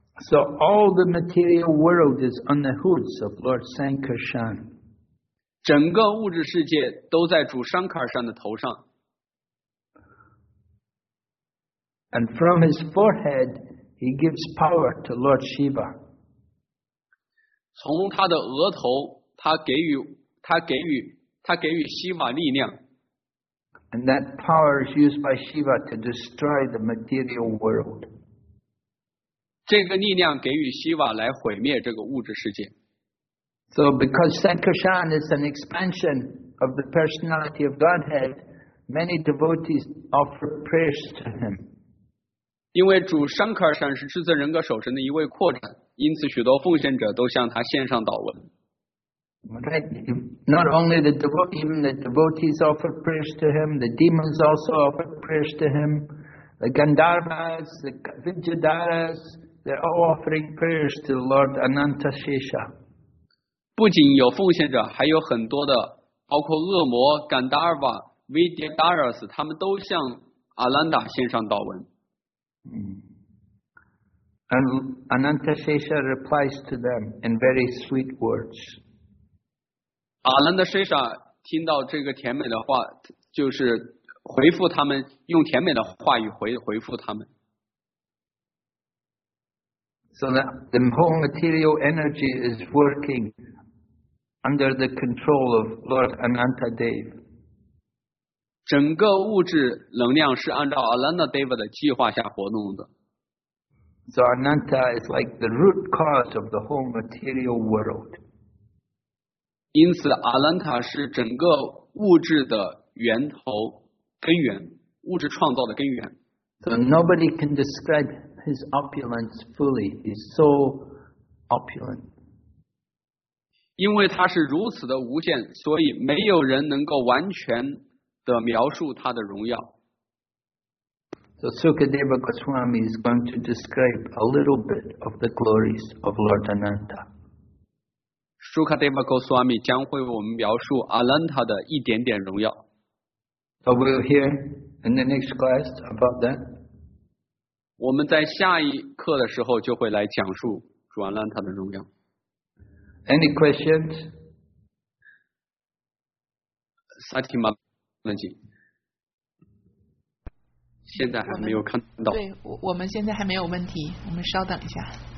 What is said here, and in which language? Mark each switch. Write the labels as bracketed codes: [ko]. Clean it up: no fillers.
[en] So all the material world is on the hoods of Lord Sankarshan. [zh] 整个物质世界都在主山卡尔山的头上。 [en] And from his forehead, he gives power to Lord Shiva. [zh] 从他的额头，他给予 Shiva 力量。 [en] And that power is used by Shiva to destroy the material world. [zh] 这个力量给予希瓦来毁灭这个物质世界。 [en] So because Sankarshan is an expansion of the personality of Godhead, many devotees offer prayers to him. [zh] 因为主 Sankarshan 是至尊人格守神的一位扩展，因此许多奉献者都向他献上祷文。 [en] Right. Not only the devotees, even the devotees offer prayers to him, the demons also offer prayers to him, the Gandharvas, the Vijayadharas,They're all offering prayers to Lord Ananta Shesha. [zh] 不仅有奉献者，还有很多的，包括恶魔、甘达尔瓦、维迪达尔斯，他们都向阿兰达献上祷文。 [en] And Ananta Shesha replies to them in very sweet words. [zh] 阿兰达舍舍听到这个甜美的话，就是回复他们，用甜美的话语回复他们。 [en] So that the whole material energy is working under the control of Lord Ananta Dev. [zh] 整个物质能量是按照 Ananta Dev 的计划下活动的。 [en] So Ananta is like the root cause of the whole material world. [zh] 因此 Ananta 是整个物质的源头根源，物质创造的根源。 [en] So nobody can describe. His opulence fully is so opulent. [zh] 因为他是如此的无限，所以没有人能够完全的描述他的荣耀。 [en] So Sukadeva Goswami is going to describe a little bit of the glories of Lord Ananta. [zh] Sukadeva Goswami 将会为我们描述 Ananta 的一点点荣耀。 [en] So we'll hear in the next class about that. [zh] 我们在下一课的时候就会来讲述转让他的荣耀。 [en] Any questions? [zh] Sati Maharaji， 现在还没有看到。对，我们现在还没有问题，我们稍等一下。